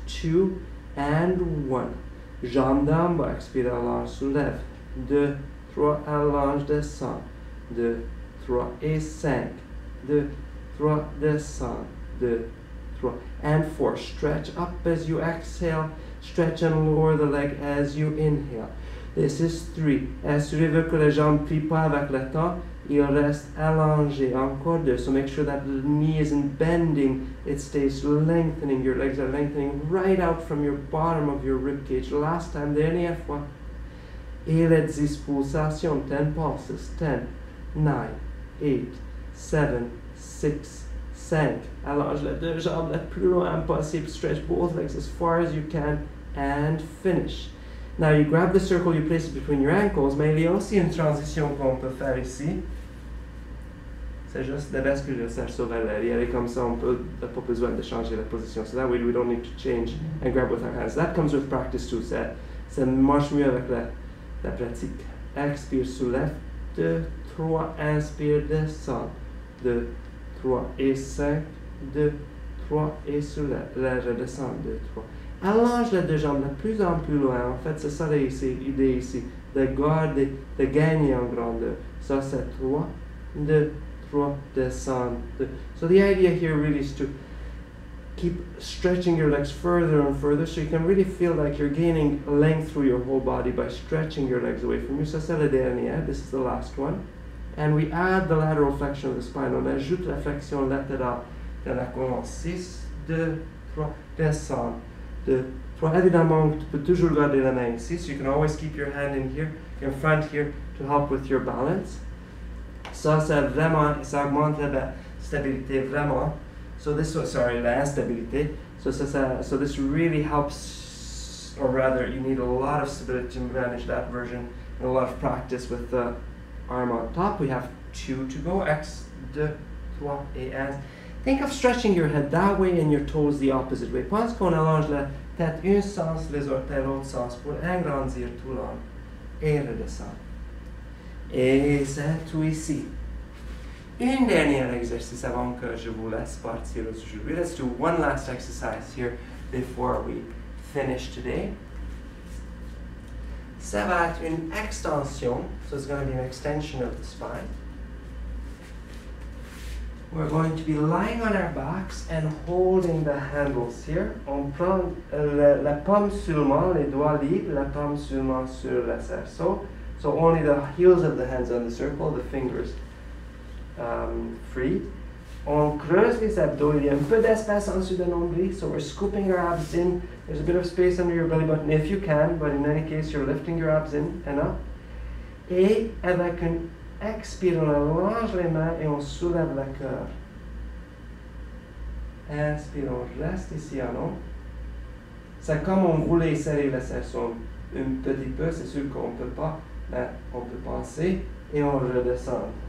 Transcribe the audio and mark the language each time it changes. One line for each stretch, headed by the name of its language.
French: 2 and 1, jambes d'en bas, expire, allonge, soulève. 2, 3, allonge, descend. 2, 3, et 5. 2, 3, descend. 2, 3, and 4.
English: Stretch up as you exhale. Stretch and lower the leg as you inhale. This is 3.
French: Assurez-vous que les jambes ne plient pas avec le temps. Il reste allongé. Encore 2.
English: So make sure that the knee isn't bending. It stays lengthening. Your legs are lengthening right out from your bottom of your ribcage. Last time,
French: dernière fois. Et les 10 pulsations, 10 pulses, 10, 9, 8, 7, 6, 5. Allonge les deux jambes le plus loin possible.
English: Stretch both legs as far as you can and finish. Now you grab the circle, you place it between your ankles.
French: Mais il y a aussi une transition qu'on peut faire ici. C'est juste de basculer le cerceau vers l'arrière. Comme ça, on n'a pas besoin de changer la position.
English: So that way we don't need to change and grab with our hands. That comes with practice too.
French: Ça marche mieux avec la pratique. Expire, soulève, 2, 3, inspire, descend, 2, 3, et 5, 2, 3, et soulève, là, redescend, 2, 3. Allonge les deux jambes de plus en plus loin, en fait, c'est ça l'idée ici, de garder, de gagner en grandeur. Ça, c'est 3, 2, 3, descend, 2.
English: So the idea here really is to keep stretching your legs further and further, so you can really feel like you're gaining length through your whole body by stretching your legs away from you.
French: Ça, c'est la dernière.
English: This is the last one. And we add the lateral flexion of the spine.
French: On ajoute la flexion latérale de la colonne. 6, 2, 3, descend. 2, 3. Évidemment, tu peux toujours garder la main ici.
English: You can always keep your hand in here, in front here, to help with your balance.
French: Ça, c'est vraiment, ça augmente la stabilité vraiment.
English: So this really helps, or rather, you need a lot of stability to manage that version, and a lot of practice with the arm on top. We have two to go. X,
French: deux, trois, et un.
English: Think of stretching your head that way and your toes the opposite way.
French: Pense qu'on allonge la tête un sens, les orteils l'autre sens, pour agrandir tout long. Et redescend. Et c'est tout ici. Un dernier exercice avant que je vous laisse partir aujourd'hui.
English: Let's do one last exercise here before we finish today.
French: Ça va être une extension,
English: so it's going to be an extension of the spine. We're going to be lying on our backs and holding the handles here.
French: On prend la paume seulement, les doigts libres, la paume seulement sur le cerceau.
English: So only the heels of the hands on the circle, the fingers. Free.
French: On creuse les abdos, il y a un peu d'espace en dessous de l'ombre,
English: so we're scooping our abs in. There's a bit of space under your belly button if you can, but in any case, you're lifting your abs in and up.
French: Et avec un expire, on allonge les mains et on soulève le cœur. Inspire, on reste ici en haut. C'est comme on voulait serrer le cerceau un petit peu, c'est sûr qu'on ne peut pas, mais on peut penser et on redescend.